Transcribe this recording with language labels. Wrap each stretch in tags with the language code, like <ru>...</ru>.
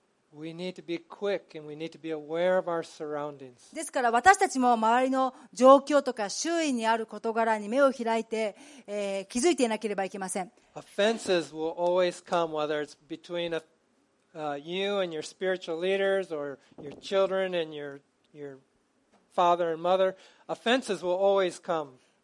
<en>We need to be quick and we need to be aware of our surroundings.</en> <ja>ですから私たちも周りの状況とか周囲にある事柄に目を開いて、気づいていなければいけません。</ja> <en>Offenses will always come, whether it's between you and your spiritual leaders or your children and your father and mother. Offenses will always come.</en>